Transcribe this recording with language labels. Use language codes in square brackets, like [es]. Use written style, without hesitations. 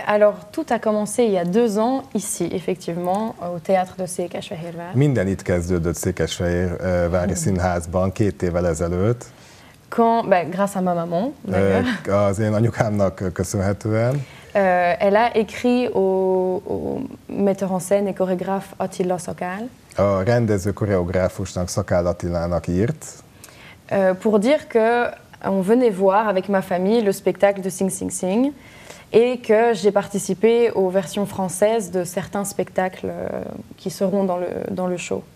[fr] Alors, tout a commencé il y a deux ans, ici, effectivement, au théâtre de Székesfehérvár. [hu] Minden itt kezdődött Székesfehérvári Színházban két évvel ezelőtt. [fr] Quand, bah, grâce à ma maman, [hu] az én anyukámnak köszönhetően. [fr] Elle a écrit au metteur en scène et chorégraphe Attila Szakál. [hu] A rendező koreográfusnak, Szakál Attilának írt. [fr] Pour dire que on venait voir avec ma famille le spectacle de Sing Sing Sing et que j'ai participé aux versions françaises de certains spectacles qui seront dans le show.